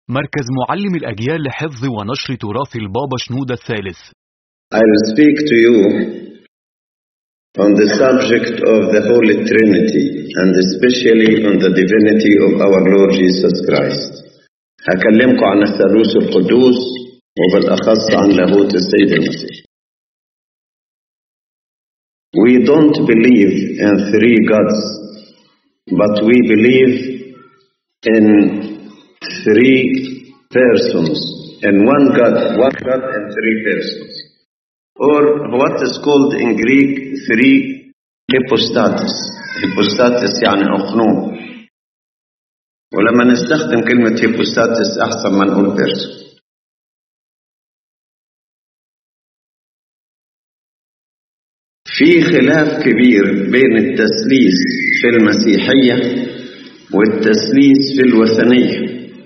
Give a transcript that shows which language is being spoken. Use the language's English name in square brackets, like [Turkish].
[Arabic] مركز معلم الأجيال لحفظ ونشر تراث البابا شنودة الثالث. [English] I will speak to you on the subject of the Holy Trinity and especially on the divinity of our Lord Jesus Christ. [Arabic] هكلمكم عن الثالوث القدوس وبالأخص عن لاهوت السيد المسيح. [English] We don't believe in three gods, but we believe in three persons, in one God and three persons. Or what is called in Greek three hypostases. [Arabic] Hypostases يعني أقنوم. ولما نستخدم كلمة hypostases أحسن من أول person. في خلاف كبير بين التثليث في المسيحية والتثليث في الوثنية.